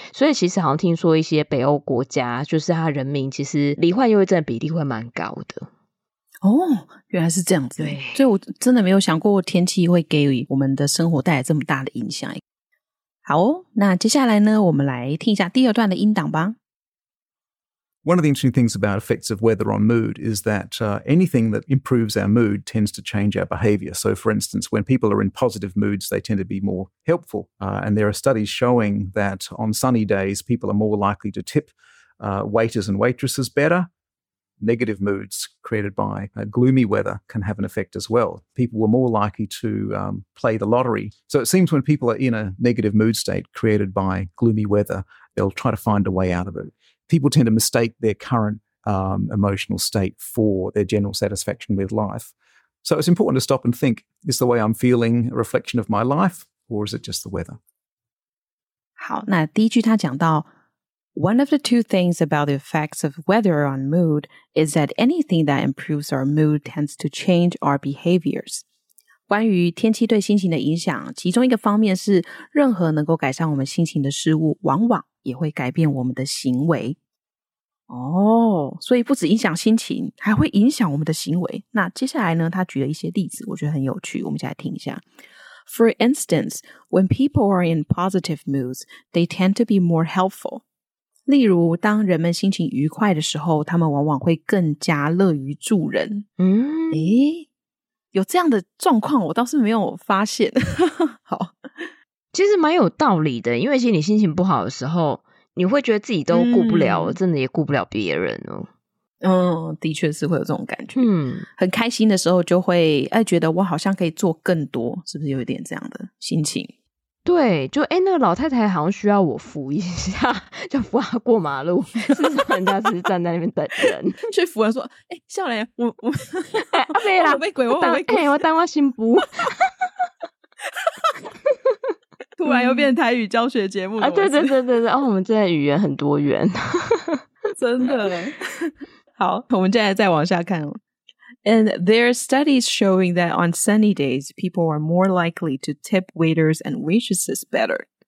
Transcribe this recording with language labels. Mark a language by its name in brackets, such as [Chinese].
[Chinese] 所以其实好像听说一些北欧国家就是它人民其实罹患忧郁症的比例会蛮高的。哦，原来是这样子。对，所以我真的没有想过天气会给我们的生活带来这么大的影响。好、哦、那接下来呢，我们来听一下第二段的音档吧。 [English] One of the interesting things about effects of weather on mood is that、anything that improves our mood tends to change our behavior. So for instance, when people are in positive moods, they tend to be more helpful.、and there are studies showing that on sunny days, people are more likely to tip、waiters and waitresses better. Negative moods created by、gloomy weather can have an effect as well. People were more likely to、play the lottery. So it seems when people are in a negative mood state created by gloomy weather, they'll try to find a way out of it. People tend to mistake their current、emotional state for their general satisfaction with life. So it's important to stop and think, is the way I'm feeling a reflection of my life, or is it just the weather? [Chinese] 好，那第一句他讲到 [English] One of the two things about the effects of weather on mood is that anything that improves our mood tends to change our behaviors. [Chinese] 关于天气对心情的影响，其中一个方面是任何能够改善我们心情的事物往往也会改变我们的行为。哦，所以不只影响心情，还会影响我们的行为。那接下来呢，他举了一些例子，我觉得很有趣，我们一起来听一下。 [English] For instance, when people are in positive moods, they tend to be more helpful. [Chinese] 例如当人们心情愉快的时候，他们往往会更加乐于助人。嗯，诶，有这样的状况我倒是没有发现。好，其实蛮有道理的，因为其实你心情不好的时候你会觉得自己都顾不了、嗯、真的也顾不了别人哦。嗯，的确是会有这种感觉。嗯，很开心的时候就会哎觉得我好像可以做更多，是不是有一点这样的心情。对，就哎，那个老太太好像需要我扶一下，就扶她过马路，是不是人家只是站在那边等人去扶她说哎，笑脸，我阿伯啦，我被鬼，我被鬼，我当我心不突然又变台语教学节目、嗯、啊，对对对对对，哦，我们真的语言很多元。真的耶。好，我们再来再往下看哦。 [English] And there are studies showing that on sunny days, people are more likely to tip waiters and waitresses better.